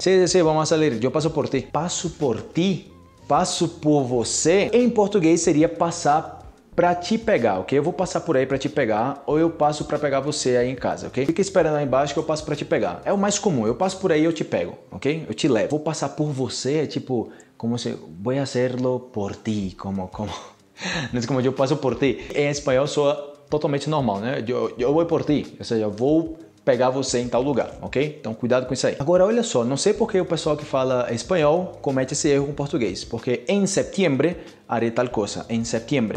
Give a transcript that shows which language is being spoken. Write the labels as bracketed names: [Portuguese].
[Portuguese] Sim, sim, vamos acelerar. Eu passo por ti. Passo por ti? Passo por você? Em português seria passar por pra te pegar, ok? Eu vou passar por aí pra te pegar ou eu passo pra pegar você aí em casa, ok? Fica esperando aí embaixo que eu passo pra te pegar. É o mais comum, eu passo por aí e eu te pego, ok? Eu te levo. Vou passar por você é tipo, como se... [Spanish] Voy a hacerlo por ti, como... [Portuguese] Não sei como eu passo por ti. Em espanhol soa totalmente normal, né? Eu vou por ti, ou seja, eu vou pegar você em tal lugar, ok? Então cuidado com isso aí. Agora olha só, não sei porque o pessoal que fala espanhol comete esse erro com português, porque em setembro [Spanish] haré tal coisa, [Portuguese] em setembro.